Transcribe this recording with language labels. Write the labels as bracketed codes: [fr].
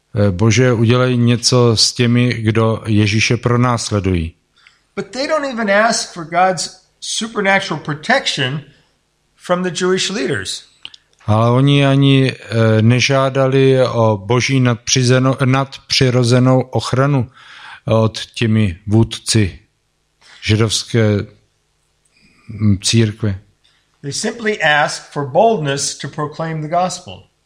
[cs] Bože, udělej něco s těmi, kdo Ježíše pronásledují. [en] But they don't even ask for God's supernatural protection from the Jewish leaders. [cs] Ale oni ani nežádali o boží nadpřirozenou ochranu od těmi vůdci židovské církve. [en] They simply ask for boldness to proclaim the gospel.